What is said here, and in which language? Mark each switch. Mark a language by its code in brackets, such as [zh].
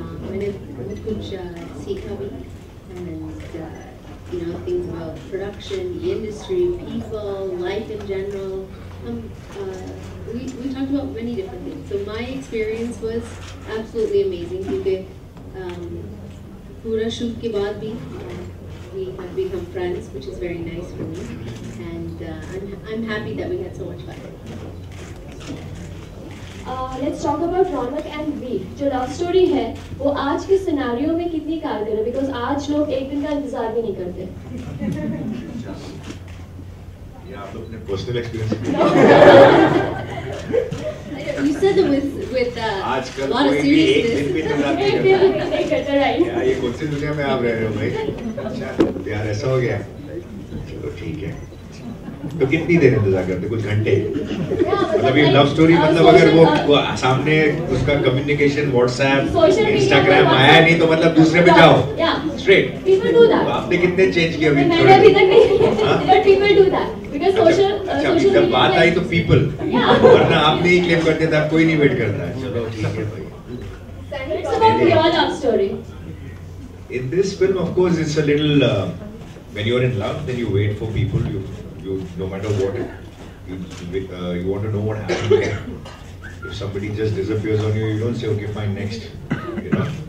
[hi] मैंने बहुत कुछ सीखा भी, [en] And you know things about production, industry, people, life in general. We talked about many different things. So my experience was absolutely amazing, [hi] क्योंकि पूरा shoot के बाद भी [en] we have become friends, which is very nice for me, and I'm happy that we had so much fun. Let's talk about Ronak and V. [hi] जो love story है वो आज के scenario में कितनी कारगर है, [en] because [hi] आज लोग एक दिन का इंतजार भी नहीं करते. ये आप लोग अपने personal experience. [en] You said it with a lot of seriousness. [hi] ये कौन सी दुनिया में आप रह रहे हो भाई? अच्छा प्यार ऐसा हो गया, चलो ठीक है. तो कितनी देर इंतजार करते, कुछ घंटे? मतलब ये लव स्टोरी, मतलब अगर वो सामने उसका कम्युनिकेशन व्हाट्सएप इंस्टाग्राम आया नहीं, तो मतलब दूसरे पे जाओ स्ट्रेट. [en] People do that. [hi] आपने कितने चेंज किए अभी? मैंने अभी तक नहीं, [en] but people do that because social [hi] जब बात आई तो पीपल, वरना आप नहीं क्लेम करते थे, कोई नहीं वेट करता है. चलो ठीक है भाई. [en] It's about your love story. In this film, of course, it's a little, when you're in love, then you wait for people, you no matter what, you want to know what happened. If somebody just disappears on you, you don't say, okay, fine, next, you know.